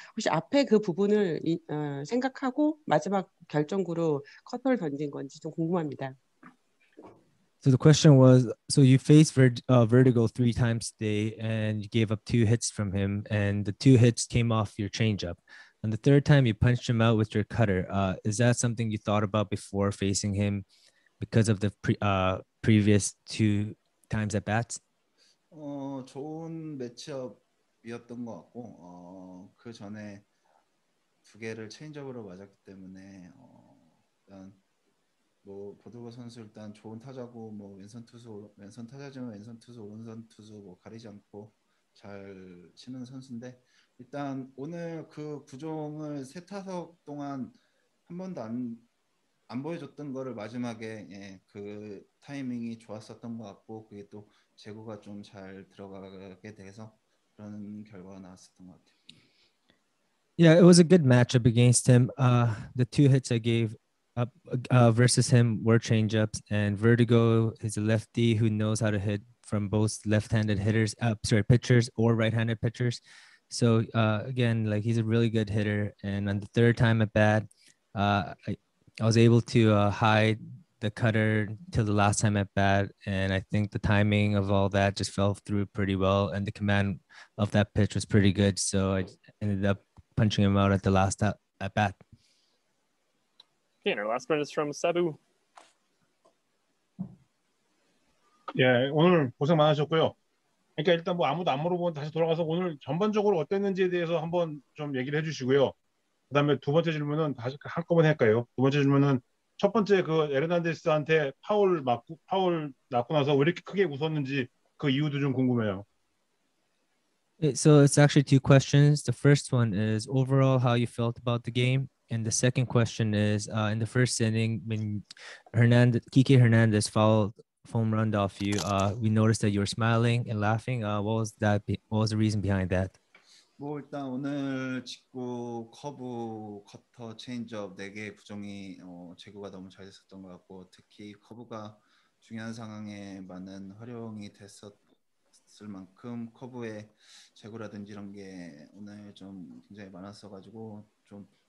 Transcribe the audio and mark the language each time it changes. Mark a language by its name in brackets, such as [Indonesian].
[Korean] 혹시 앞에 그 부분을 생각하고 마지막 결정구로 커터를 던진 건지 좀 궁금합니다. [English] So the question was, so you faced Vertigo three times today and you gave up two hits from him and the two hits came off your changeup. And the third time you punched him out with your cutter. Is that something you thought about before facing him because of the previous two times at bats? [Korean] 좋은 매치업이었던 것 같고 그 전에 두 개를 체인지업으로 맞았기 때문에 일단 뭐 보드거 선수 일단 좋은 타자고 뭐 왼손 투수 왼손 타자지만 왼손 투수 오른손 투수 뭐 가리지 않고 잘 치는 선수인데 일단 오늘 그 구종을 세 타석 동안 한 번도 안 보여줬던 거를 마지막에 예, 그 타이밍이 좋았었던 것 같고 그게 또 제구가 좀 잘 들어가게 돼서 그런 결과가 나왔었던 것 같아요. [English] Yeah, it was a good matchup against him. The two hits I gave up versus him were changeups, and Verdugo is a lefty who knows how to hit from both left-handed hitters, pitchers or right-handed pitchers. So again, like he's a really good hitter, and on the third time at bat, I was able to hide the cutter till the last time at bat, and I think the timing of all that just fell through pretty well, and the command of that pitch was pretty good. So I ended up punching him out at the last at bat. Okay, and our last one is from Sabu. [Korean] Yeah, 오늘 고생 많으셨고요. 그러니까 일단 뭐 아무도 안 물어보고 다시 돌아가서 오늘 전반적으로 어땠는지에 대해서 한번 좀 얘기를 해주시고요. 그 다음에 두 번째 질문은 다시 한꺼번에 할까요? 두 번째 질문은 첫 번째 그 에르난데스한테 파울 낳고 나서 왜 이렇게 크게 웃었는지 그 이유도 좀 궁금해요. [English] So it's actually two questions. The first one is overall how you felt about the game. And the second question is in the first inning when Kike Hernandez fouled foam runned off you, we noticed that you were smiling and laughing. What was the reason behind that? [Korean] 뭐 일단 오늘 직구 커브 커터 체인지업 네 개의 부종이 제구가 너무 잘 됐었던 것 같고 특히 커브가 중요한 상황에 많은 활용이 됐었을 만큼 커브의 제구라든지 이런 게 오늘 좀 굉장히 많았어가지고 좀